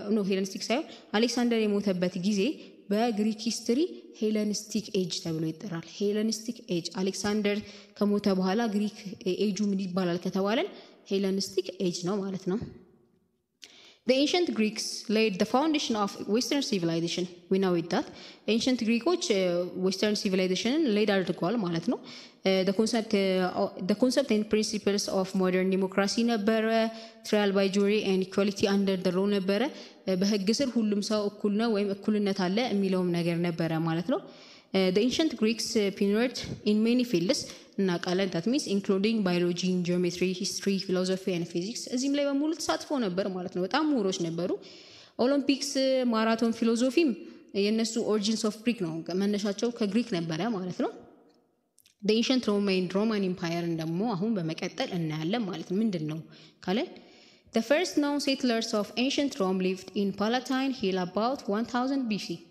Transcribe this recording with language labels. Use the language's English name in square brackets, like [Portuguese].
[Amharic] hellenistic ሳይሆን alexander የሞተበት ጊዜ በግሪክ ሂስትሪ hellenistic age ተብሎ ይጠራል hellenistic age alexander ከሞተ በኋላ ግሪክ ኤጁ ምን ይባላል ከተባለን hellenistic age ነው ማለት ነው [English] The ancient Greeks laid the foundation of Western civilization. We know it that ancient Greeks Western civilization laid out the goal, [Amharic] ማለት ነው. [English] The concept and principles of modern democracy ነበር, trial by jury and equality under the law ነበር. [Amharic] በሕግ ስር ሁሉም ሰው እኩል ነው ወይም እኩልነት አለ የሚለውም ነገር ነበር ማለት ነው. [English] The ancient Greeks pioneered in many fields ናቃለን that means including biology geometry history philosophy and physics [Amharic] እዚም ላይ በሙሉ ተሳትፎ ነበር ማለት ነው በጣም ምሁሮች ነበሩ [English] olympics marathon philosophy የነሱ origins of greek [Amharic] ነው መነሻቸው ከግሪክ ነበር ማለት ነው [English] the ancient roman empire [Amharic] ደግሞ አሁን በመቀጠል እናያለን ማለት ነው ምንድነው ካለን [English] the first known settlers of ancient rome lived in palatine hill about 1000 bc